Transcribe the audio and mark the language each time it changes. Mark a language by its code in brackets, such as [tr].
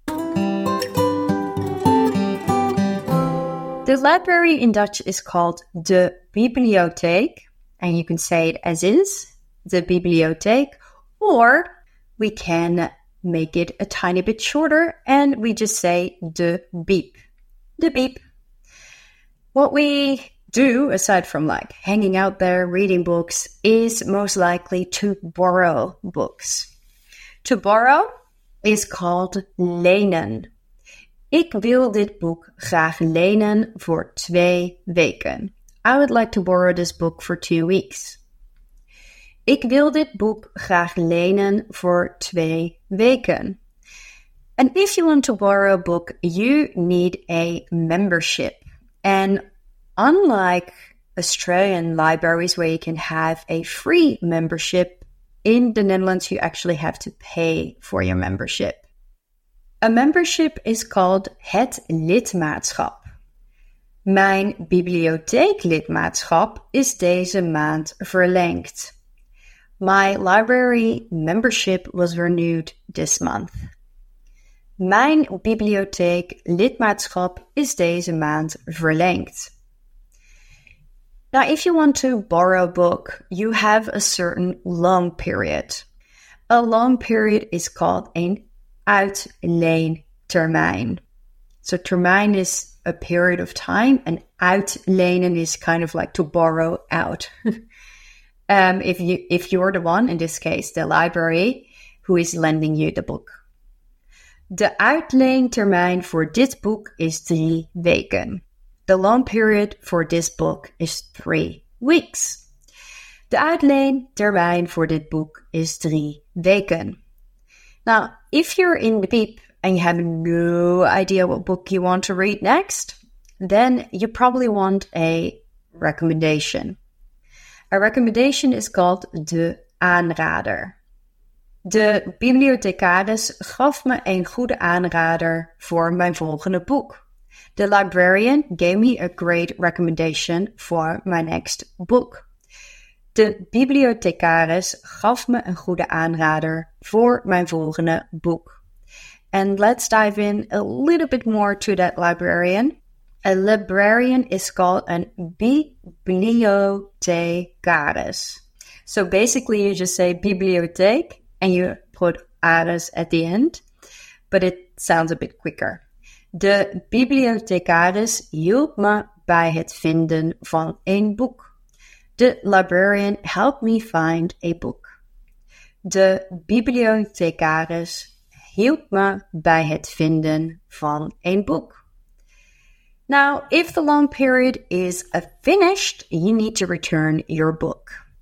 [en] The library in Dutch is called de bibliotheek, and you can say it as is, de bibliotheek, or we can make it a tiny bit shorter and we just say de bib, de bib. What we do, aside from like hanging out there reading books, is most likely to borrow books. To borrow is called lenen. [nl] Ik wil dit boek graag lenen voor 2 weken. [en] I would like to borrow this book for 2 weeks. [nl] Ik wil dit boek graag lenen voor 2 weken. [en] And if you want to borrow a book, you need a membership. And unlike Australian libraries where you can have a free membership, in the Netherlands you actually have to pay for your membership. A membership is called het lidmaatschap. [nl] Mijn bibliotheeklidmaatschap is deze maand verlengd. [en] My library membership was renewed this month. [nl] Mijn bibliotheeklidmaatschap is deze maand verlengd. [en] Now, if you want to borrow a book, you have a certain loan period. A loan period is called een uitleentermijn. So termijn is a period of time and uitlenen is kind of like to borrow out. if you're the one, in this case the library, who is lending you the book. [nl] De uitleentermijn voor dit boek is 3 weken. [en] The loan period for this book is 3 weeks. [nl] De uitleentermijn voor dit boek is 3 weken. [en] Now, if you're in the beep and you have no idea what book you want to read next, then you probably want a recommendation. A recommendation is called de aanrader. [nl] De bibliothecaris gaf me een goede aanrader voor mijn volgende boek. [en] The librarian gave me a great recommendation for my next book. [nl] De bibliothecaris gaf me een goede aanrader voor mijn volgende boek. [en] And let's dive in a little bit more to that librarian. A librarian is called an bibliothecaris. So basically you just say bibliotheek and you put aris at the end, but it sounds a bit quicker. [nl] De bibliothecaris hielp me bij het vinden van een boek. [en] The librarian helped me find a book. [nl] De bibliothecaris hielp me bij het vinden van een boek. [en] Now, if the loan period is finished, you need to return your book.